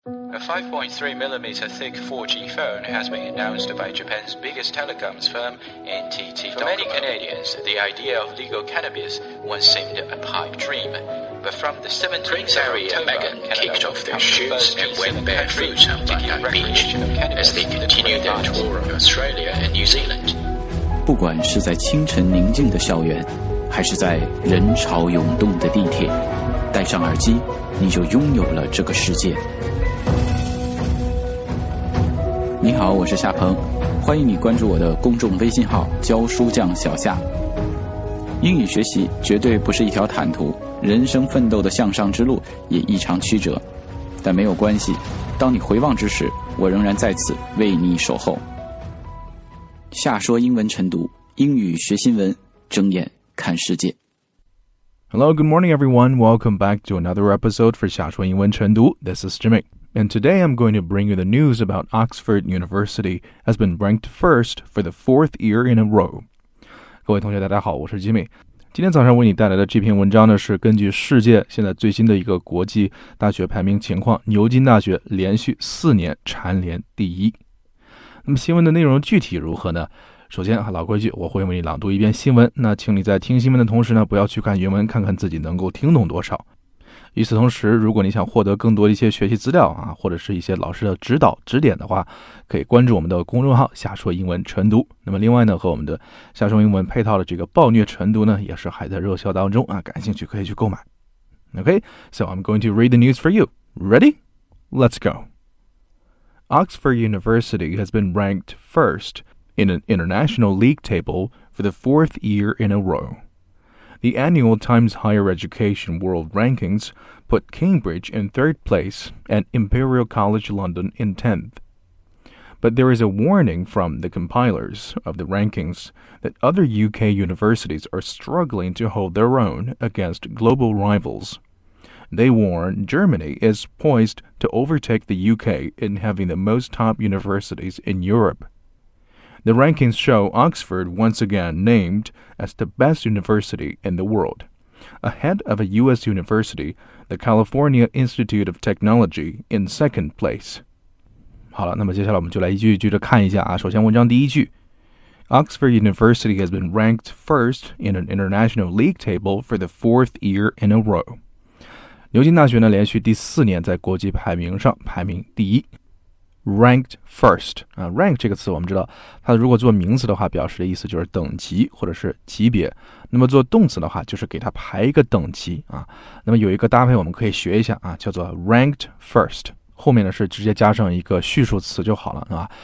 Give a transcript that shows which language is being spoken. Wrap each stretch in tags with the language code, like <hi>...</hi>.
<en>A 5.3mm thick 4G phone has been announced by Japan's biggest telecoms firm, NTT Docomo. For many Canadians, the idea of legal cannabis once seemed a pipe dream. But from the 17th of October, Megan kicked off their shoots and went barefoot on Bondi Beach as they continued their tour of Australia and New Zealand.</en> <zh>不管是在清晨宁静的校园，还是在人潮涌动的地铁，戴上耳机，你就拥有了这个世界。你好，我是夏鹏，欢迎你关注我的公众微信号教书匠小夏。英语学习绝对不是一条坦途，人生奋斗的向上之路也异常曲折，但没有关系，当你回望之时，我仍然在此为你守候。夏说英文晨读，英语学新闻，睁眼看世界。</zh> <en>Hello, good morning everyone. Welcome back to another episode for 夏说英文晨读。 This is Jimmy. And today I'm going to bring you the news about Oxford University has been ranked first for the fourth year in a row.</en> <zh>各位同学大家好，我是 Jimmy。今天早上为你带来的这篇文章呢，是根据世界现在最新的一个国际大学排名情况，牛津大学连续四年蝉联第一。那么新闻的内容具体如何呢？首先老规矩，我会为你朗读一遍新闻，那请你在听新闻的同时呢，不要去看原文，看看自己能够听懂多少。与此同时，如果你想获得更多的一些学习资料啊，或者是一些老师的指导指点的话，可以关注我们的公众号夏说英文晨读。那么另外呢，和我们的夏说英文配套的这个暴虐晨读呢，也是还在热销当中啊，感兴趣可以去购买。</zh> <en>OK, so I'm going to read the news for you. Ready? Let's go. Oxford University has been ranked first in an international league table for the fourth year in a rowThe annual Times Higher Education World Rankings put Cambridge in third place and Imperial College London in 10th. But there is a warning from the compilers of the rankings that other UK universities are struggling to hold their own against global rivals. They warn Germany is poised to overtake the UK in having the most top universities in Europe. The rankings show Oxford once again named as the best university in the world, ahead of a U.S. university, the California Institute of Technology, in second place.</en> <zh>好了，那么接下来我们就来一句一句的看一下啊。首先，文章第一句</zh> <en>，Oxford University has been ranked first in an international league table for the fourth year in a row.</en> <zh>牛津大学呢，连续第四年在国际排名上排名第一。 Ranked first, rank 这个词我们知道，它如果做名词的话，表示的意思就是等级或者是级别。那么做动词的话，就是给它排一个等级啊。那么有一个搭配我们可以学一下啊，叫做 ranked first， 后面呢是直接加上一个叙述词就好了啊。</zh>